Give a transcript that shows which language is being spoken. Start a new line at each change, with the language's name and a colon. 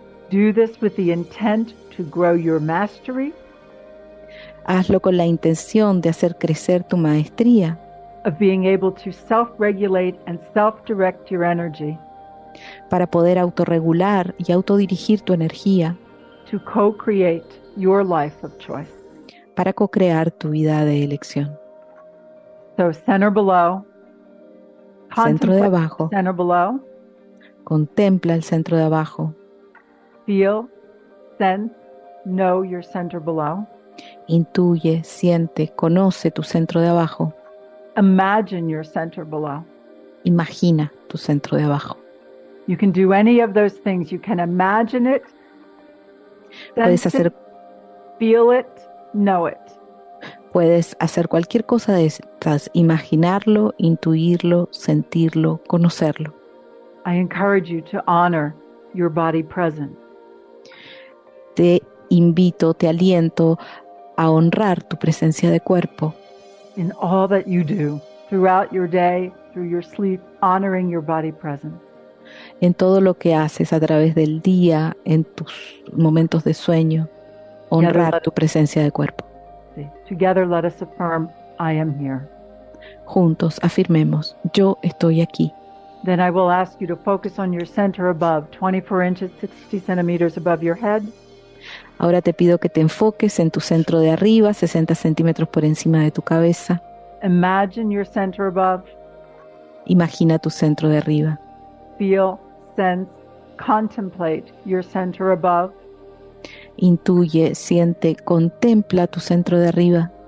English: Do this with the intent to grow your mastery.
Spanish: Hazlo con la intención de hacer crecer tu maestría.
English: Of being able to self-regulate and self-direct your energy.
Spanish: Para poder autorregular y autodirigir tu energía.
English: To co-create your life of choice.
Spanish: Para co-crear tu vida de elección.
English: So center below,
Spanish: centro de abajo.
English: Center below.
Spanish: Contempla el centro de abajo.
English: Feel sense, know your center below.
Spanish: Intuye, siente, conoce tu centro de abajo.
English: Imagine your center below.
Spanish: Imagina tu centro de abajo.
English: You can do any of those things. You can imagine it.
Spanish: Puedes hacer,
English: feel it, know it.
Spanish: Puedes hacer cualquier cosa de estas, imaginarlo, intuirlo, sentirlo, conocerlo.
English: I encourage you to honor your body presence.
Spanish: Te invito, te aliento a honrar tu presencia de cuerpo.
English: In all that you do, throughout your day, through your sleep, honoring your body presence.
Spanish: En todo lo que haces a través del día, en tus momentos de sueño, honrar tu presencia de cuerpo.
English: Together let us affirm, I am here.
Spanish: Juntos afirmemos, yo estoy aquí.
English: Then I will ask you to focus on your center above, 24 inches, 60 centimeters above your head.
Spanish: Ahora te pido que te enfoques en tu centro de arriba, 60 centímetros por encima de tu cabeza.
English: Imagine your center above.
Spanish: Imagina tu centro de arriba.
English: Feel, sense, contemplate your center above.
Spanish: Intuye, siente, contempla tu centro de arriba.